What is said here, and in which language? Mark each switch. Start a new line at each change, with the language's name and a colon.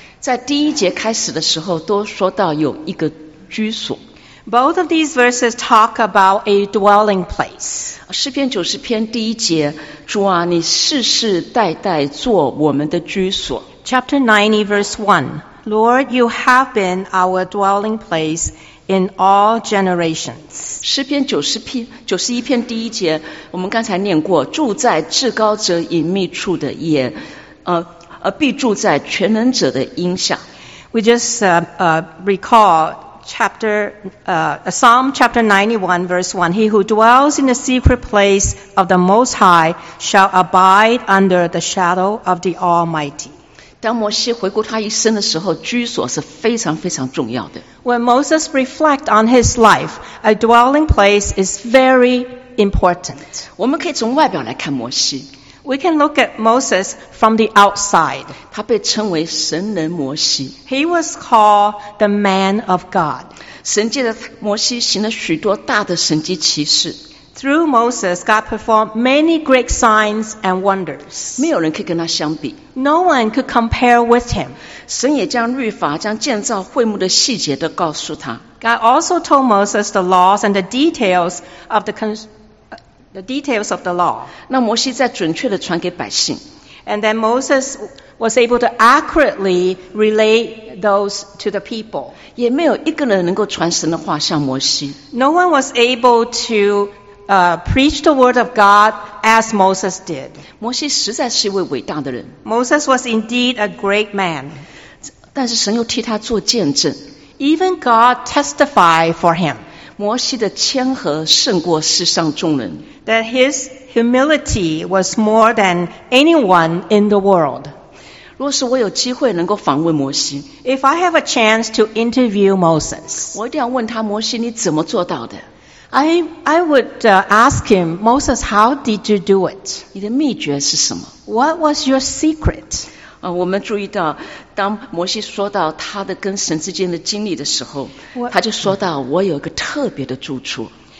Chinese: 在第一节开始的时候都说到有一个居所。
English: Both of these verses talk about a dwelling place.
Chinese: 诗篇九十篇第一节，主啊，你世世代代做我们的居所。
English: Chapter 90, verse 1. Lord, you have been our dwelling place in all generations.
Chinese: 诗篇九十篇九十一篇第一节，我们刚才念过，住在至高者隐秘处的也，必住在全能者的荫下。
English: We just Psalm chapter 91 verse 1. He who dwells in the secret place of the Most High shall abide under the shadow of the Almighty.
Chinese: 当摩西回顾他一生的时候，居所是非常非常重要的。
English: When Moses reflect on his life, a dwelling place is very important.
Chinese: 我们可以从外表来看摩西。
English: We can look at Moses from the outside.
Chinese: 他被称为神人摩西。
English: He was called the man of God.
Chinese: 神借着摩西行了许多大的神迹奇事。
English: Through Moses, God performed many great signs and wonders.
Chinese: 没有人可以跟他相比。
English: No one could compare with him.
Chinese: 神也将律法、将建造会幕的细节都告诉他。
English: God also told Moses the laws and the details of the law.
Chinese: 那摩西再准确地传给百姓。
English: And then Moses was able to accurately relate those to the people.
Chinese: 也没有一个人能够传神的话像摩西。
English: No one was able to preach the word of God as Moses did.
Chinese: 摩西实在是一位伟大的人。
English: Moses was indeed a great man.
Chinese: 但是神又替他做见证。
English: Even God testified for him.
Chinese: 摩西的谦和胜过世上众人。
English: That his humility was more than anyone in the world.
Chinese: 若是我有机会能够访问摩西。
English: If I have a chance to interview Moses.
Chinese: 我一定要问他，摩西你怎么做到的？
English: I would ask him, Moses, how did you do it?
Chinese: 你的秘诀是什么？
English: What was your secret?
Chinese: 我们注意到当摩西说到他的跟神之间的经历的时候，他就说到我有一个特别的住处。